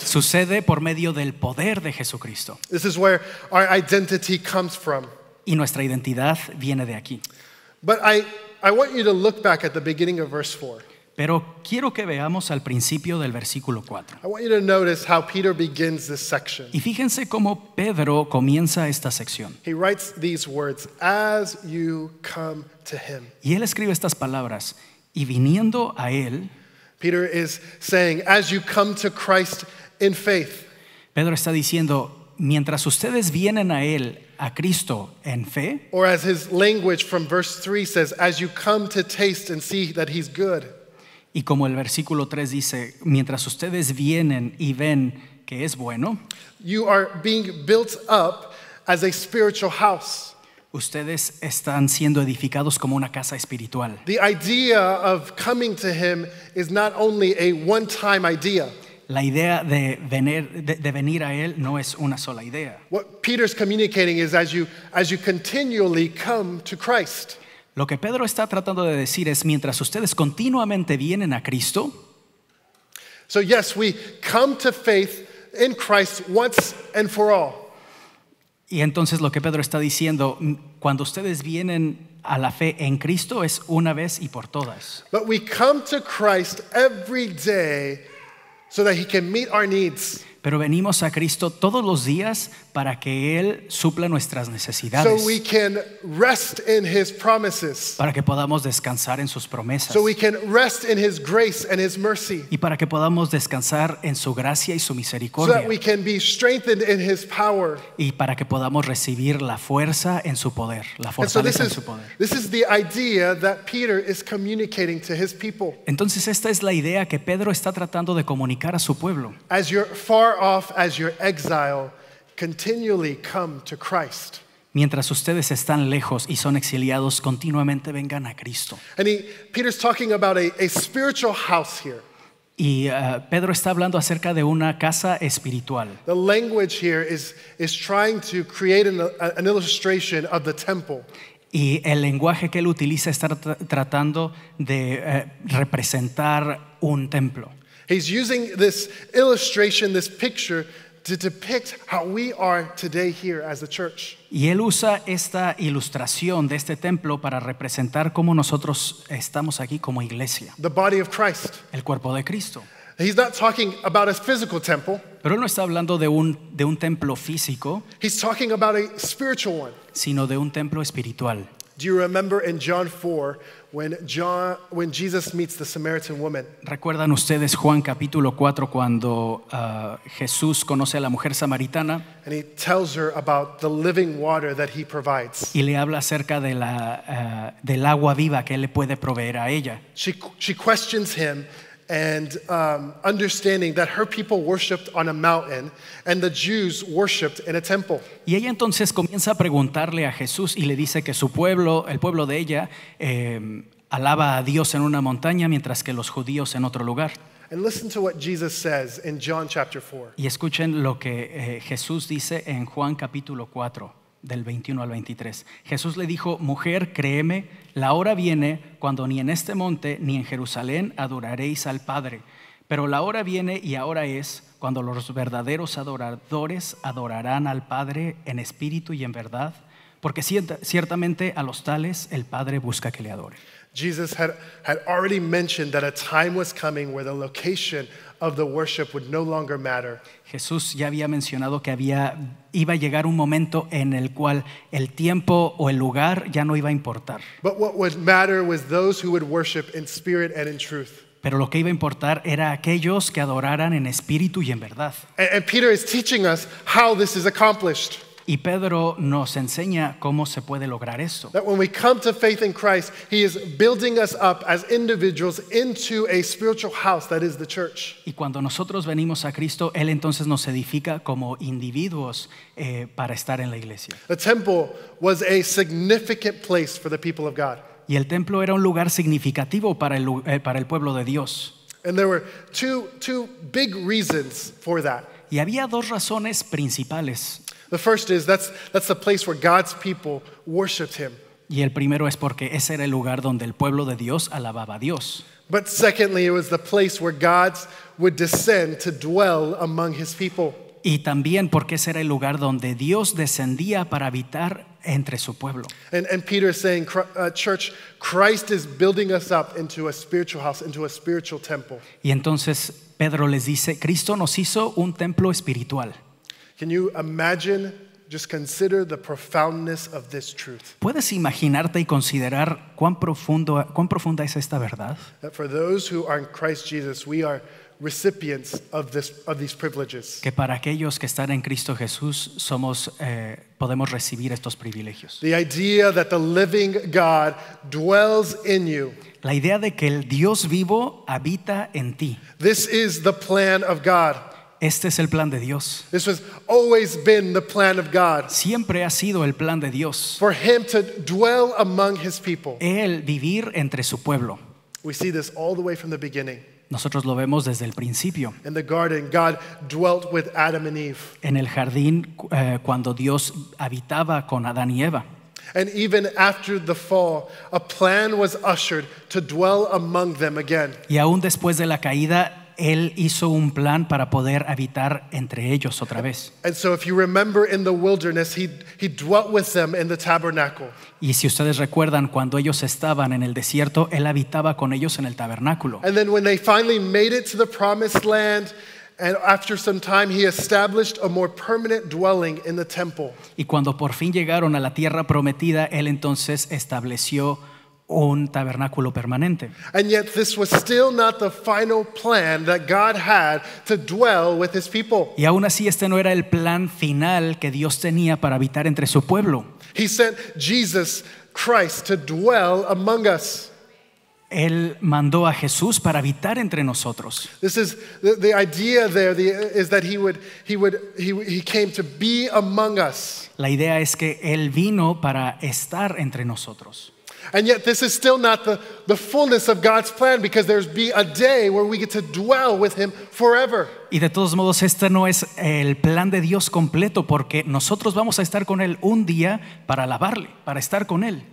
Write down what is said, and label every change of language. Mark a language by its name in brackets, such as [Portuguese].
[Spanish] Sucede por medio del poder de Jesucristo. [English] This is where our identity comes from. [Spanish] Y nuestra identidad viene de aquí. [English] But I want you to look back at the beginning of verse 4. [Spanish] Pero quiero que veamos al principio del versículo 4. [English] I want you to notice how Peter begins this section. [Spanish] Y fíjense cómo Pedro comienza esta sección. [English] He writes these words, as you come to him. [Spanish] Y él escribe estas palabras, y viniendo a él. [English] Peter is saying, as you come to Christ in faith. [Spanish] Pedro está diciendo, mientras ustedes vienen a él, a Cristo en fe. [English] Or as his language from verse 3 says, as you come to taste and see that he's good. [Spanish] Y como el versículo 3 dice, mientras ustedes vienen y ven que es bueno, [English] you are being built up as a spiritual house. [Spanish] Ustedes están siendo edificados como una casa espiritual. [English] The idea of coming to him is not only a one-time idea. [Spanish] La idea de venir a él no es una sola idea. [English] What Peter's communicating is as you continually come to Christ. [Spanish] Lo que Pedro está tratando de decir es mientras ustedes continuamente vienen a Cristo. [English] So yes, we come to faith in Christ once and for all. [Spanish] Y entonces lo que Pedro está diciendo, cuando ustedes vienen a la fe en Cristo es una vez y por todas. [English] But we come to Christ every day so that he can meet our needs. [Spanish] Pero venimos a Cristo todos los días para que Él supla nuestras necesidades. [English] So we can rest in his promises. [Spanish] Para que podamos descansar en sus promesas. [English] So we can rest in his grace and his mercy. [Spanish] Y para que podamos descansar en su gracia y su misericordia. [English] So that we can be strengthened in his power. [Spanish] Y para que podamos recibir la fuerza en su poder. La fortaleza en su poder. [English] This is the idea that Peter is communicating to his people. [Spanish] Entonces esta es la idea que Pedro está tratando de comunicar a su pueblo. [English] As your far off as your exile, continually come to Christ. [Spanish] Mientras ustedes están lejos y son exiliados, continuamente vengan a Cristo. [English] And Peter's talking about a spiritual house here. [Spanish] Y Pedro está hablando acerca de una casa espiritual. [English] The language here is trying to create an illustration of the temple. [Spanish] Y el lenguaje que él utiliza está tratando de representar un templo. [English] He's using this illustration, this picture, to depict how we are today here as the church. [Spanish] Y él usa esta ilustración de este templo para representar cómo nosotros estamos aquí como iglesia. [English] The body of Christ. [Spanish] El cuerpo de Cristo. [English] He's not talking about a physical temple. [Spanish] Pero él no está hablando de un templo físico. [English] He's talking about a spiritual one. [Spanish] Sino de un templo espiritual. [English] Do you remember in John 4 when Jesus meets the Samaritan woman? [Spanish] ¿Recuerdan ustedes Juan capítulo 4 cuando Jesús conoce a la mujer samaritana? [English] And he tells her about the living water that he provides. [Spanish] Y le habla acerca de la del agua viva que él le puede proveer a ella. [English] She questions him and understanding that her people worshiped on a mountain and the Jews worshiped in a temple. [Spanish] Y ella entonces comienza a preguntarle a Jesús y le dice que su pueblo, el pueblo de ella, alaba a Dios en una montaña mientras que los judíos en otro lugar. [English] And listen to what Jesus says in John chapter 4. [Spanish] Y escuchen lo que Jesús dice en Juan capítulo 4, del 21 al 23. Jesús le dijo, mujer, créeme, la hora viene cuando ni en este monte ni en Jerusalén adoraréis al Padre. Pero la hora viene y ahora es cuando los verdaderos adoradores adorarán al Padre en espíritu y en verdad, porque ciertamente a los tales el Padre busca que le adore. [English] Jesus had already mentioned that a time was coming where the location of the worship would no longer matter. [Spanish] Jesús ya había mencionado que iba a llegar un momento en el cual el tiempo o el lugar ya no iba a importar. [English] But what would matter was those who would worship in spirit and in truth. [Spanish] Pero lo que iba a importar era aquellos que adoraran en espíritu y en verdad. [English] And Peter is teaching us how this is accomplished. [Spanish] Y Pedro nos enseña cómo se puede lograr eso. [English] That when we come to faith in Christ, he is building us up as individuals into a spiritual house that is the church. [Spanish] Y cuando nosotros venimos a Cristo, él entonces nos edifica como individuos para estar en la iglesia. [English] The temple was a significant place for the people of God. [Spanish] Y el templo era un lugar significativo para el pueblo de Dios. [English] And there were two big reasons for that. [Spanish] Y había dos razones principales. [English] The first is that's the place where God's people worshiped him. [Spanish] Y el primero es porque ese era el lugar donde el pueblo de Dios alababa a Dios. [English] But secondly, it was the place where God would descend to dwell among his people. [Spanish] Y también porque ese era el lugar donde Dios descendía para habitar entre su pueblo. [English] And Peter is saying, church, Christ is building us up into a spiritual house, into a spiritual temple. [Spanish] Y entonces Pedro les dice, Cristo nos hizo un templo espiritual. [English] Can you imagine, just consider the profoundness of this truth? [Spanish] ¿Puedes imaginarte y considerar cuán profunda es esta verdad? [English] That for those who are in Christ Jesus, we are recipients of these privileges. [Spanish] Que para aquellos que están en Cristo Jesús somos podemos recibir estos privilegios. [English] The idea that the living God dwells in you. [Spanish] La idea de que el Dios vivo habita en ti. [English] This is the plan of God. [Spanish] Este es el plan de Dios. [English] This has always been the plan of God. [Spanish] Siempre ha sido el plan de Dios. [English] For him to dwell among his people. [Spanish] Él vivir entre su pueblo. [English] We see this all the way from the beginning. [Spanish] Nosotros lo vemos desde el principio. [English] In the garden, God dwelt with Adam and Eve. [Spanish] En el jardín, cuando Dios habitaba con Adán y Eva. [English] And even after the fall, a plan was ushered to dwell among them again. [Spanish] Y aún después de la caída, él hizo un plan para poder habitar entre ellos otra vez. [English] And so if you remember in the wilderness, he dwelt with them in the tabernacle. [Spanish] Y si ustedes recuerdan, cuando ellos estaban en el desierto, él habitaba con ellos en el tabernáculo. [English] And then when they finally made it to the promised land, and after some time, he established a more permanent dwelling in the temple. [Spanish] Y cuando por fin llegaron a la tierra prometida, él entonces estableció un tabernáculo permanente. [English] And yet this was still not the final plan that God had to dwell with his people. [Spanish] Y aún así este no era el plan final que Dios tenía para habitar entre su pueblo. [English] He sent Jesus Christ to dwell among us. [Spanish] Él mandó a Jesús para habitar entre nosotros. [English] This is the idea there, is that he came to be among us. [Spanish] La idea es que él vino para estar entre nosotros. [English] And yet this is still not the fullness of God's plan, because there's be a day where we get to dwell with him forever. [Spanish] Y de todos modos este no es el plan de Dios completo, porque nosotros vamos a estar con él un día para alabarle, para estar con él.